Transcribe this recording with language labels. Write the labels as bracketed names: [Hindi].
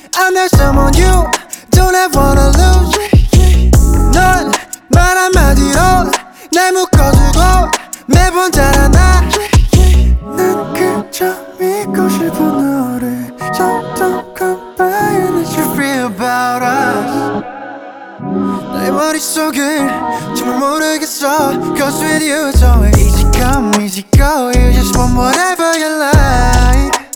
[English] I'm that someone you don't ever wanna lose. [Korean] 넌 말 한마디로 날 묶어주고 매번 달아나. 난 그저 믿고 싶어 너를. [English] So don't complain and let you feel about us. [Korean] 내 머릿속을 정말 모르겠어. [English] Cause with you it's always easy come, easy go. You just want whatever you like.